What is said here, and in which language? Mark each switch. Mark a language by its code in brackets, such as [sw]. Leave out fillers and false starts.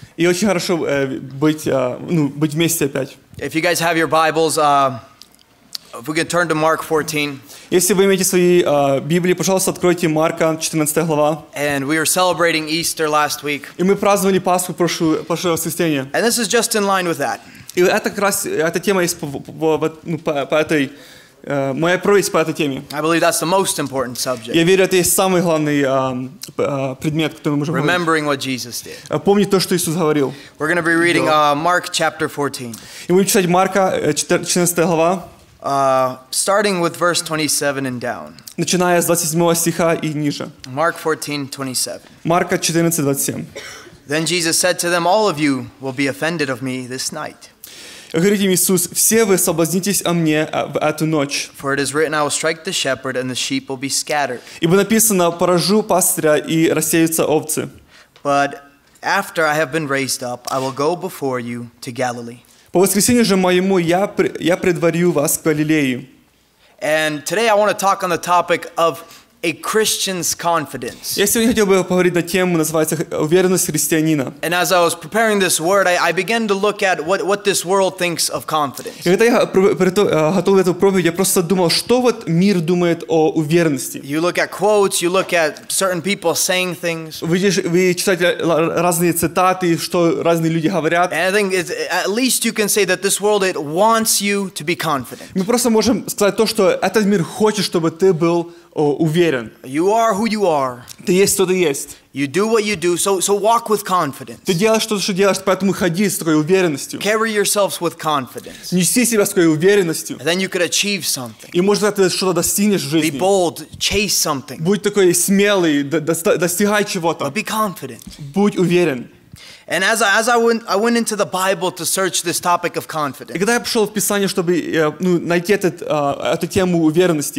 [ru] И очень хорошо быть вместе опять. [en] If you guys have your Bibles, if we could turn to Mark 14. [ru] Если вы имеете свои Библии, пожалуйста, откройте Марка 14 глава. [en] And we were celebrating Easter last week. [ru] И мы праздновали Пасху прошлое воскресенье. [en] And this is just in line with that. [ru] И это как раз эта тема есть по этой моя проповедь по этой теме. [en] I believe that's the most important subject. [ru] Я верю, это есть самый главный предмет, который мы можем. [en] Remembering what Jesus did. [ru] Помнить то, что Иисус говорил. [en] We're going to be reading Mark chapter 14. [ru] И мы будем читать Марка 14 глава. [en] Starting with verse 27 and down. [ru] Начиная с 27 стиха и ниже. [en] Mark 14:27. [ru] Марка 14:27. [en] Then Jesus said to them, "All of you will be offended of me this night." [ru] Говорит им Иисус, все вы соблазнитесь о мне в эту ночь. [en] For it is written, "I will strike the shepherd, and the sheep will be scattered." [ru] Ибо написано, поражу пастыря и рассеются овцы. [en] But after I have been raised up, I will go before you to Galilee. [ru] По воскресению же моему я предварю вас к Галилее. [en] And today I want to talk on the topic of a Christian's confidence. [ru] Я сегодня хотел бы поговорить на тему, называется уверенность христианина. [en] And as I was preparing this word, I began to look at what this world thinks of confidence. [ru] И когда я готовил эту проповедь, я просто думал, что вот мир думает о уверенности. [en] You look at quotes, you look at certain people saying things. [ru] Вы читаете разные цитаты, что разные люди говорят. [en] And I think it's, at least you can say that this world it wants you to be confident. [ru] Мы просто можем сказать то, что этот мир хочет, чтобы ты был уверен. [en] You are who you are. [ru] Ты есть, кто ты есть. [en] You do what you do, so walk with confidence. [ru] Ты делаешь то, что делаешь, поэтому ходи с такой уверенностью. [en] Carry yourselves with confidence. [ru] Неси себя с такой уверенностью. [en] And then you could achieve something. [ru] И может ты что-то достигнешь в жизни. [en] Be bold, chase something. [ru] Будь такой смелый, достигай чего-то. [en] But be confident. [ru] Будь уверен. [en] And as I went into the Bible to search this topic of confidence. [ru] Когда я пошел в Писание, чтобы найти эту тему уверенности.